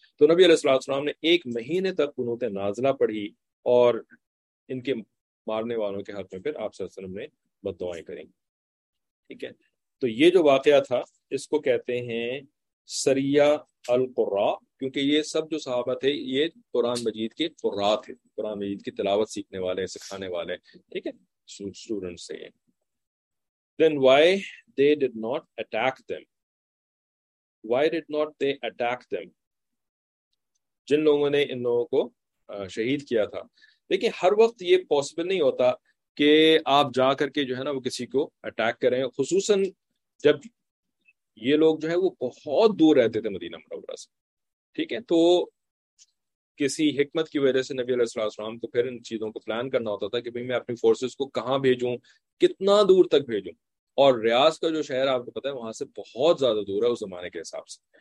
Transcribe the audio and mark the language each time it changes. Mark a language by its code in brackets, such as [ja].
[ur] تو نبی علیہ الصلوۃ والسلام نے 1 مہینے تک قنوت نازلہ پڑھی, اور ان کے مارنے والوں کے حق میں پھر آپ صلی اللہ علیہ وسلم نے بد دعائیں کریں گے. ٹھیک ہے, تو یہ جو واقعہ تھا اس کو کہتے ہیں سریہ القراء, کیونکہ یہ سب جو صحابہ تھے یہ قرآن مجید کے قراء تھے, قرآن مجید کی تلاوت سیکھنے والے, سکھانے والے. ٹھیک ہے, اسٹوڈنٹ سے. [en] Then why they did not attack them? Why did not they attack them? [ur] جن لوگوں نے ان لوگوں کو شہید کیا تھا. دیکھیں ہر وقت یہ پاسبل نہیں ہوتا کہ آپ جا کر کے جو ہے نا وہ کسی کو اٹیک کریں, خصوصاً جب یہ لوگ جو ہے وہ بہت دور رہتے تھے مدینہ منورہ سے. ٹھیک ہے, تو کسی حکمت کی وجہ سے نبی علیہ الصلوۃ والسلام کو پھر ان چیزوں کو پلان کرنا ہوتا تھا کہ بھئی میں اپنی فورسز کو کہاں بھیجوں, کتنا دور تک بھیجوں, اور ریاض کا جو شہر آپ کو پتہ ہے وہاں سے بہت زیادہ دور ہے اس زمانے کے حساب سے.